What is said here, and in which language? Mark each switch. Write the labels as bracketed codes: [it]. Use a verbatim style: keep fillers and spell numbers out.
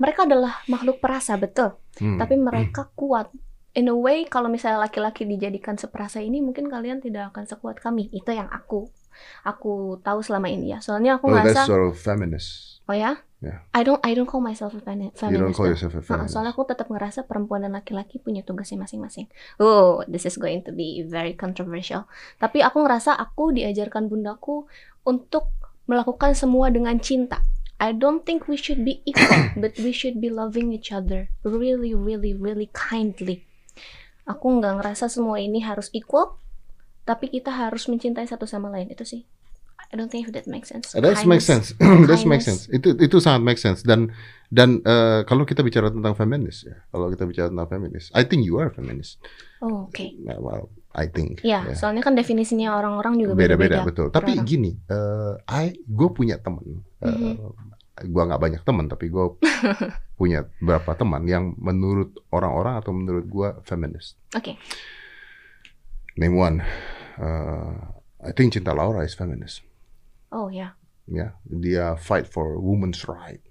[id] Mereka adalah makhluk perasa, betul. Hmm. Tapi mereka hmm. kuat. [en] In a way, [id] kalau misalnya laki-laki dijadikan seperasa ini, mungkin kalian tidak akan sekuat kami. Itu yang aku, aku tahu selama ini ya. Soalnya aku oh, ngerasa. [en] That's sort of feminist. [id] Oh ya? [en] Yeah. I don't, I don't call myself a feminist. You don't call yourself a feminist. [id] Nah, soalnya aku tetap ngerasa perempuan dan laki-laki punya tugasnya masing-masing. [en] Oh, this is going to be very controversial. [id] Tapi aku ngerasa aku diajarkan bundaku untuk melakukan semua dengan cinta. [en] I don't think we should be equal, but we should be loving each other really, really, really kindly. [id] Aku nggak ngerasa semua ini harus equal, tapi kita harus mencintai satu sama lain. Itu sih. [en] I don't think if that makes sense. That makes sense. That makes sense. [id] Itu itu sangat makes sense. Dan dan uh, kalau kita bicara tentang feminis ya, kalau kita bicara tentang feminis, [en] I think you are feminist. [id] Oh, oke. [en] Okay. Nah, well, I think. [id] Ya, yeah, yeah. Soalnya kan definisinya orang-orang juga beda-beda. betul. Tapi orang. Gini, uh, [en] I [id] gue punya teman. Uh, mm-hmm. Gue nggak banyak teman, tapi gue punya beberapa teman yang menurut orang-orang atau menurut gue feminist. Oke. Okay. [en] Name one, uh, I think Cinta Laura is feminist. [id] Oh ya. Yeah. ya, dia [en] fight for women's right,